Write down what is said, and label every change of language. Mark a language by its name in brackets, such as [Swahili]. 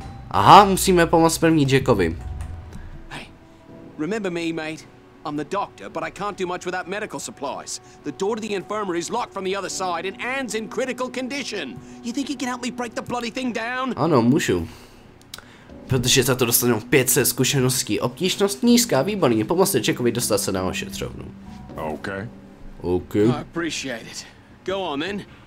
[Czech] Aha, musíme pomoct první Jackovi. [English] Remember me, mate. I'm the doctor, but I can't do much without medical supplies. The door to the infirmary is locked from the other side, and Anne's in critical condition. You think you can help me break the bloody thing down? [Czech] Ano, můžu. Protože za to dostanou 500 zkušeností. Obtížnost nízká, výborně. Pomozte Jackovi dostat se na ošetřovnu. [English] Okay. Okay. I appreciate it. Go on, then.